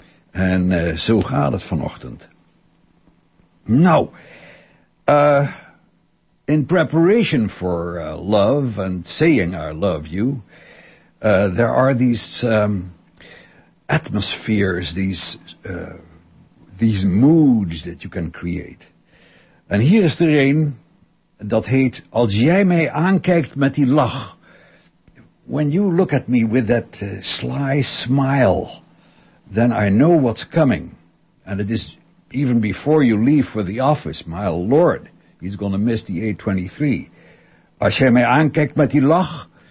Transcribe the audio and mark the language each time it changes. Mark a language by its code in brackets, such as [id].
[nl] En zo gaat het vanochtend. [en] Nou, in preparation for love and saying I love you, there are these atmospheres, these moods that you can create. And here is [nl] er een. Dat heet, als jij mij aankijkt met die lach. [en] When you look at me with that sly smile, then I know what's coming. And it is even before you leave for the office. My lord, he's going to miss the 823. [nl] Als jij mij aankijkt met die lach.